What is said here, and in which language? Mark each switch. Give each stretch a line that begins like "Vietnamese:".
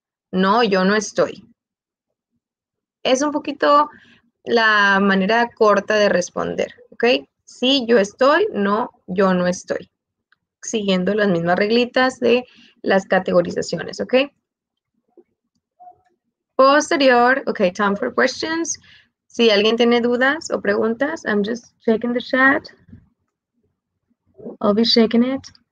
Spanish: No, yo no estoy. Es un poquito la manera corta de responder, ¿ok? Sí, yo estoy, no, yo no estoy. Siguiendo las mismas reglitas de las categorizaciones, ¿ok?
English: Posterior, ok, time for questions.
Spanish: Si alguien tiene dudas o preguntas,
English: I'm just checking the chat. I'll be checking it.